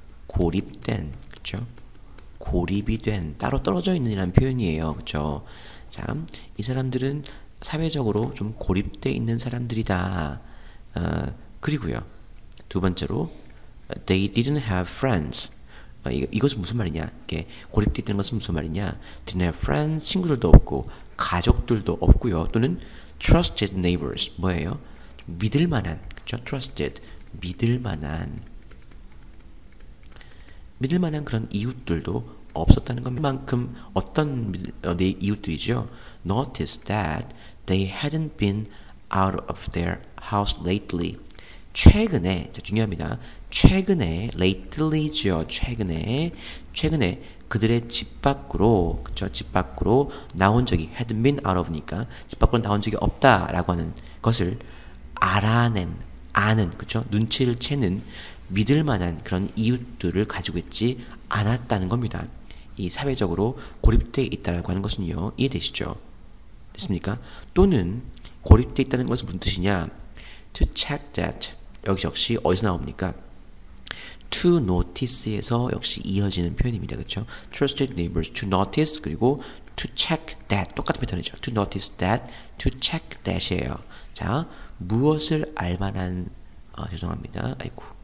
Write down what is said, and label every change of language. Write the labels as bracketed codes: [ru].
[ko] 고립된, 그렇죠? 고립이 된, 따로 떨어져 있는 이란 표현이에요, 그렇죠? 자, 이 사람들은 사회적으로 좀 고립돼 있는 사람들이다. 그리고요, 두 번째로, [en] they didn't have friends. [ko] 이것은 무슨 말이냐? 이게 고립돼 있다는 것은 무슨 말이냐? [en] didn't have friends, [ko] 친구들도 없고 가족들도 없고요. 또는 [en] trusted neighbors, [ko] 뭐예요? 믿을 만한, 그렇죠? trusted, 믿을 만한 그런 이웃들도 없었다는 것만큼 어떤 내 이웃들이죠. [en] Notice that they hadn't been out of their house lately. [ko] 최근에, 자, 중요합니다. 최근에, lately죠. 최근에 그들의 집 밖으로, 그쵸? 집 밖으로 나온 적이 [en] had been out of [ko] 니까 집 밖으로 나온 적이 없다라고 하는 것을 아는, 그쵸? 눈치를 채는 믿을 만한 그런 이웃들을 가지고 있지 않았다는 겁니다. 이 사회적으로 고립되어 있다라고 하는 것은요, 이해되시죠? 됐습니까? 또는 고립되어 있다는 것은 무슨 뜻이냐? [en] To check that [ko] 역시 어디서 나옵니까? To notice에서 역시 이어지는 표현입니다. 그렇죠? [en] Trusted neighbors to notice [ko] 그리고 [en] to check that [ko] 똑같은 패턴이죠. [en] To notice that, to check that이에요. [ko] 자, 무엇을 알 만한 죄송합니다. 아이고.